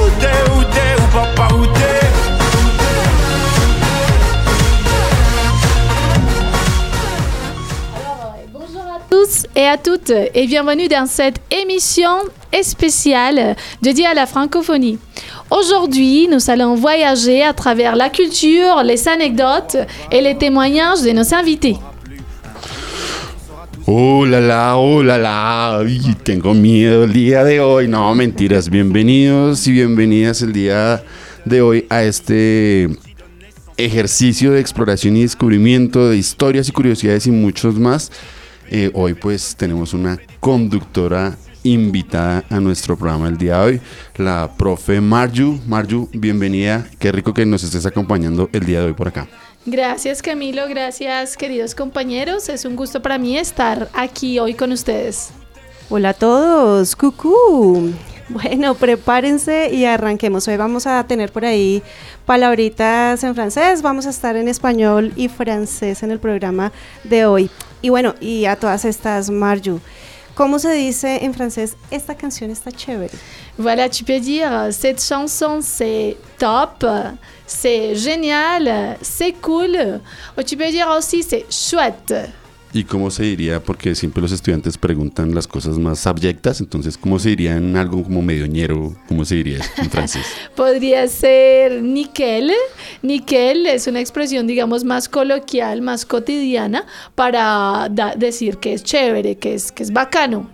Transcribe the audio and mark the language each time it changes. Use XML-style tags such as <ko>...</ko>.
<fr>Où t'es, où t'es, où papa, où t'es? Alors, bonjour à tous et à toutes et bienvenue dans cette émission spéciale dédiée à la francophonie. Aujourd'hui, nous allons voyager à travers la culture, les anecdotes et les témoignages de nos invités.</fr> <es>Oh là là, uy, tengo miedo el día de hoy. No, mentiras, bienvenidos y bienvenidas el día de hoy a este ejercicio de exploración y descubrimiento de historias y curiosidades y muchos más. Hoy pues tenemos una conductora invitada a nuestro programa el día de hoy, la profe Marju. Marju, bienvenida, qué rico que nos estés acompañando el día de hoy por acá. Gracias Camilo, gracias queridos compañeros, es un gusto para mí estar aquí hoy con ustedes. Hola a todos, cucú. Bueno, prepárense y arranquemos, hoy vamos a tener por ahí palabritas en francés, vamos a estar en español y francés en el programa de hoy. Y bueno, y a todas estas, Marju, ¿cómo se dice en francés esta canción está chévere?</es> <fr>Voilà, tu peux dire, cette chanson c'est top. C'est génial, c'est cool, o tu peux dire aussi c'est chouette.</fr> <es>¿Y cómo se diría? Porque siempre los estudiantes preguntan las cosas más abyectas, entonces ¿cómo se diría en algo como medio ñero? ¿Cómo se diría en francés? Podría ser nickel. Nickel es una expresión, digamos, más coloquial, más cotidiana, para decir que es chévere, que es bacano.</es>